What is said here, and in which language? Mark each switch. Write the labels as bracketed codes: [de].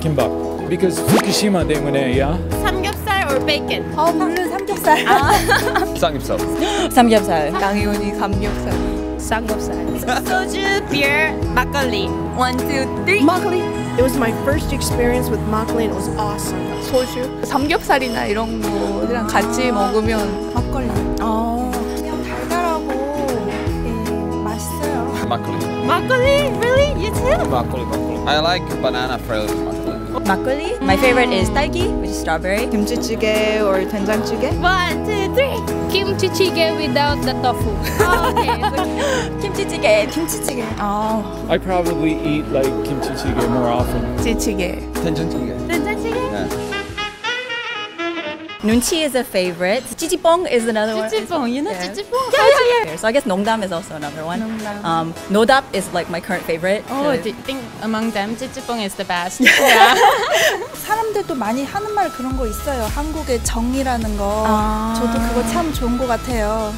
[en] Kimbap. Because Fukushima 때문에, yeah? 삼겹살 or bacon? [ko] Oh, 물론 삼겹살. 삼겹살. 삼겹살. 당연히 삼겹살. 삼겹살. [en] Soju, beer, makgeolli. 1, 2, 3. [ko] Makgeolli. [en] It was my first experience with makgeolli and it was awesome. [ko] Soju. 삼겹살이나 이런 거랑 같이 먹으면 막걸리. 막걸리. [en] 막걸리? Really? You too? 막걸리. I like banana flavored 막걸리. 막걸리? My favorite is 딸기, which is strawberry. [ko] 김치찌개 or 된장찌개? [en] 1, 2, 3. 김치찌개 without the tofu. Oh, okay. [ko] 김치찌개. 김치찌개. [en] I probably eat like 김치찌개 more often. [ko] 찌찌개. 된장찌개. 된장찌개? [en] Yeah. 눈치 is a favorite. 찌찌뽕 is another one. 찌찌뽕. You know 찌찌뽕? Yeah. So I guess 농담 is also another one. [ko] 농담. [en] Nodap is like my current favorite. Oh, so. Do you think among them, 찌찌뽕 is the best? Yeah. [ko] 사람들도 많이 하는 말 그런 거 있어요. 한국의 정이라는 거. 저도 그거 참 좋은 거 같아요.